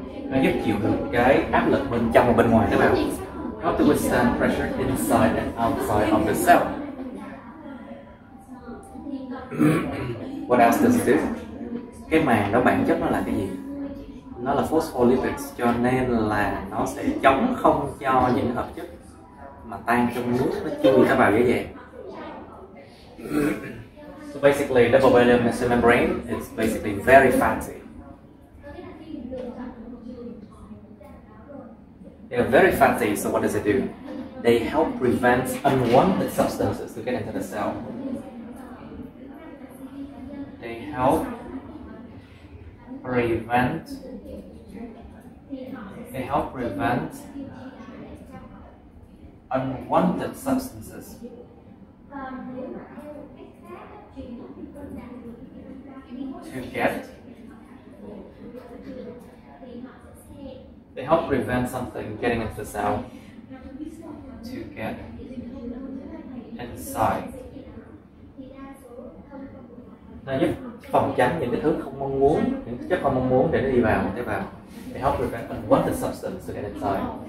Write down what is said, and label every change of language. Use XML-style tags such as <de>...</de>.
<vi>Nó giúp chịu được cái áp lực bên trong và bên ngoài tế bào.</vi> <en>Help to withstand pressure inside and outside of the cell. What else does it do?</en> <vi>Cái màng đó bản chất nó là cái gì? Nó là phospholipids, cho nên là nó sẽ chống không cho những hợp chất mà tan trong nước nó chui ra vào dễ dàng.</vi> <en>So basically, double valium cell membrane is basically very fancy. They are very fancy, so what does it do? They help prevent unwanted substances to get into the cell. They help prevent unwanted substances. They help prevent something getting into the cell to get inside.</en> <vi>Nó giúp phòng tránh những cái thứ không mong muốn, những cái chất không mong muốn để nó đi vào tế bào.</vi> <en>They help prevent unwanted substances to get inside.</en>